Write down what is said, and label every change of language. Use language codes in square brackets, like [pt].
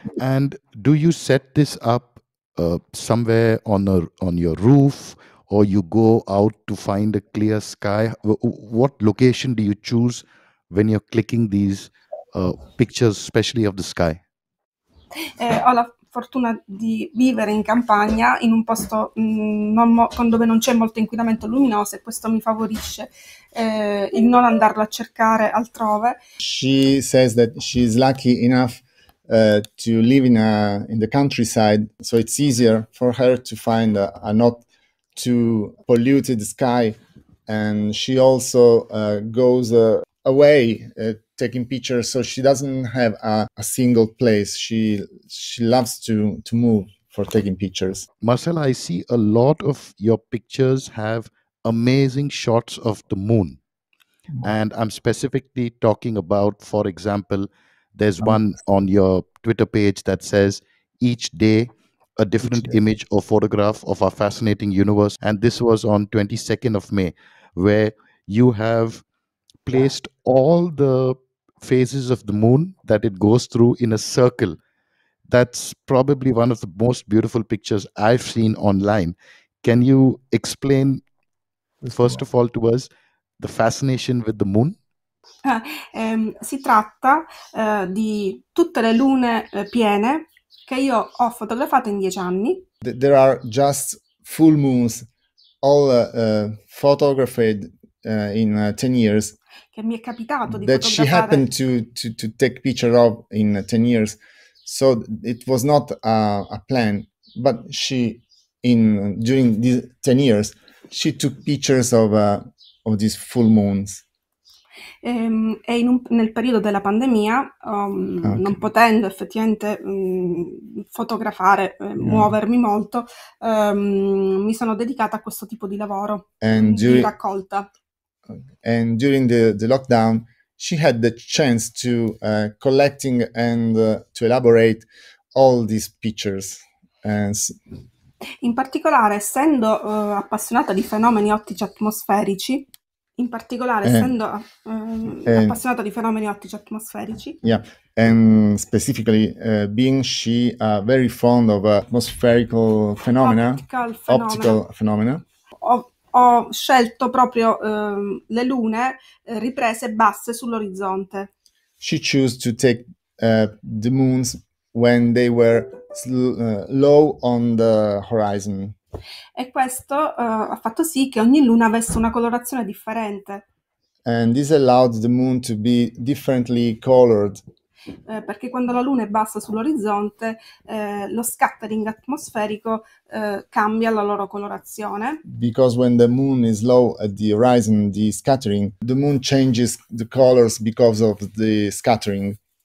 [en] And do you set this up somewhere on your roof, or you go out to find a clear sky? What location do you choose when you're clicking these pictures, especially of the sky? [it] Ho la fortuna di vivere in campagna, in un posto dove non c'è molto inquinamento luminoso, e questo mi favorisce il non andarlo a cercare altrove. [en] She says that she's lucky enough to live in the countryside, so it's easier for her to find a not too polluted sky, and she also goes away taking pictures, so she doesn't have a single place. She loves to move for taking pictures. Marcella, I see a lot of your pictures have amazing shots of the moon, and I'm specifically talking about, for example, there's one on your Twitter page that says, each day, a different image or photograph of our fascinating universe. And this was on 22nd of May, where you have placed all the phases of the moon that it goes through in a circle. That's probably one of the most beautiful pictures I've seen online. Can you explain, first of all, to us, the fascination with the moon? [it] Si tratta di tutte le lune piene che io ho fotografato in 10 anni. [en] There are just full moons, all photographed in 10 years. [it] Che mi è capitato di fotografare. [en] That she happened to take picture of in 10 years. So it was not a plan, but she, during these 10 years, she took pictures of these full moons. [it] E nel periodo della pandemia, non potendo effettivamente fotografare, muovermi molto, mi sono dedicata a questo tipo di lavoro, di raccolta. [en] And during the lockdown, she had the chance to collecting and to elaborate all these pictures. [it] In particolare, essendo appassionata di fenomeni ottici atmosferici, appassionata di fenomeni ottici atmosferici. [en] Yeah, and specifically, being she very fond of atmospherical phenomena, optical phenomena. [it] Ho scelto proprio le lune riprese basse sull'orizzonte. [en] She chose to take the moons when they were low on the horizon. [it] E questo ha fatto sì che ogni luna avesse una colorazione differente. [en] And this allowed the moon to be differently colored. [it] Perché quando la luna è bassa sull'orizzonte, lo scattering atmosferico cambia la loro colorazione. [en] Because when the moon is low at the horizon, the scattering, the moon changes the colors because of the scattering.